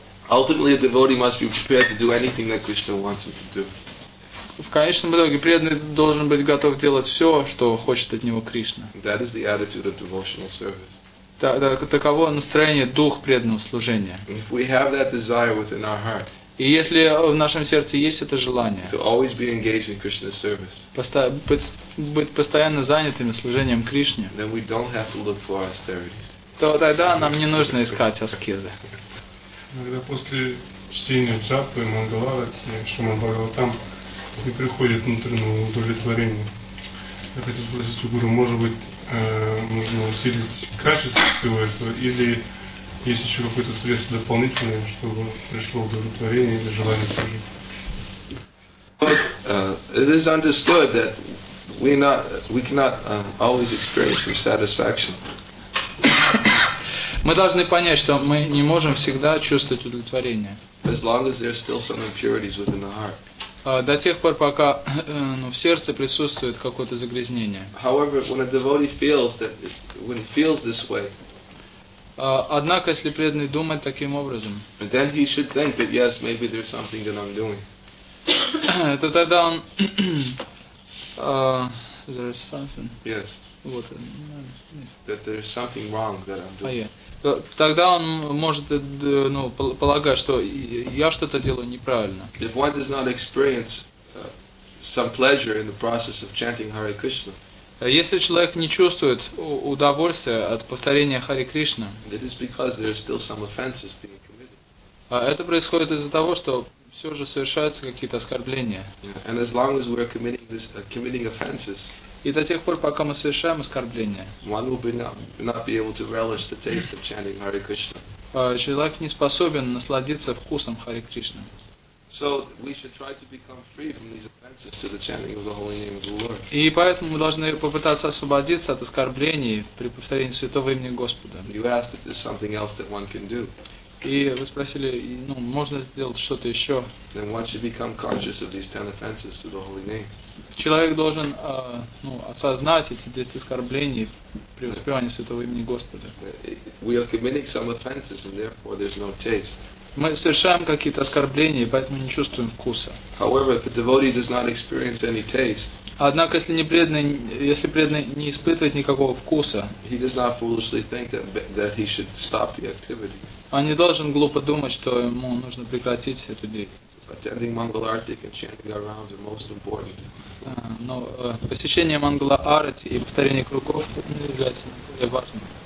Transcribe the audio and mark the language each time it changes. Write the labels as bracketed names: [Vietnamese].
[English] Ultimately, a devotee must be prepared to do anything that Krishna wants him to do. [Russian] В конечном итоге преданный должен быть готов делать все, что хочет от него Кришна. [English] That is the attitude of devotional service. [Russian] Таково настроение, дух преданного служения. [English] If we have that desire within our heart, [Russian] и если в нашем сердце есть это желание, [English] to always be engaged in Krishna's service, [Russian] быть постоянно занятыми служением Кришне, [English] then we don't have to look for austerities. [Russian] То тогда нам не нужно искать аскезы. Иногда после чтения джапы, мангаларати, шримад-бхагаватам, не приходит внутреннего удовлетворения. Я хотел спросить у гуру, может быть, нужно усилить качество всего этого, или есть еще какое-то средство дополнительное, чтобы пришло удовлетворение или желание служить? [English] It is understood that we cannot always experience some satisfaction. [Russian] Мы должны понять, что мы не можем всегда чувствовать удовлетворение. [English] As long as there's still some impurities within the heart. [Russian] До тех пор, пока в сердце присутствует какое-то загрязнение. [English] However, when a devotee feels that, when he feels this way. [Russian] Однако, если преданный думает таким образом. [English] Then he should think that yes, maybe there's something that I'm doing. [Russian] То тогда он. [English] Is there something? Yes. What? That there's something wrong that I'm doing. [Russian] Тогда он может полагать, что я что-то делаю неправильно. [English] If one does not experience some pleasure in the process of chanting Hare Krishna, [Russian] если человек не чувствует удовольствия от повторения Хари Кришна, [English] it is because there are still some offenses being committed. [Russian] Это происходит из-за того, что все же совершаются какие-то оскорбления. [English] Yeah. And as long as we are committing offenses. [Russian] И до тех пор, пока мы совершаем оскорбление, [English] one will not be able to relish the taste of chanting Hare Krishna. [Russian] Человек не способен насладиться вкусом Хари Кришны. [English] So we should try to become free from these offenses to the chanting of the holy name of the Lord. [Russian] И поэтому мы должны попытаться освободиться от оскорблений при повторении святого имени Господа. [English] You asked if there's something else that one can do. [Russian] И вы спросили, можно сделать что-то еще? [English] Then one should become conscious of these 10 offenses to the holy name. [Russian] Человек должен осознать эти 10 оскорблений при воспевании святого имени Господа. [English] We are committing some offenses, and therefore there's no taste. [Russian] Мы совершаем какие-то оскорбления, поэтому не чувствуем вкуса. [English] However, if a devotee does not experience any taste, [Russian] однако, если преданный не испытывает никакого вкуса, [English] he does not foolishly think that he should stop the activity. [Russian] Он не должен глупо думать, что ему нужно прекратить эту деятельность. [English] Attending Mangala Arati and chanting our rounds are most important. [Russian] Но посещение Мангала Арати и повторение кругов является наиболее важным.